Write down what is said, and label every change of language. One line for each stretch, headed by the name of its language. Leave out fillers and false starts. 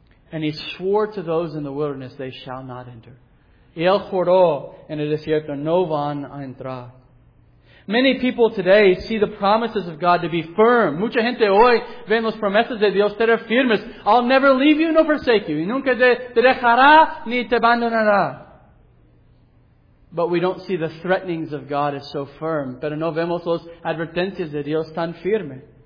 English: And He swore to those in the wilderness, they shall not enter.
Spanish: Y él juró en el desierto, no van a entrar.
English: Many people today see the promises of God to be firm.
Spanish: Mucha gente hoy ve las promesas de Dios ser firmes.
English: I'll never leave you nor forsake you.
Spanish: Y nunca te dejará ni te abandonará.
English: But we don't see the threatenings of God as so firm.
Spanish: Pero no vemos las advertencias de Dios tan firme.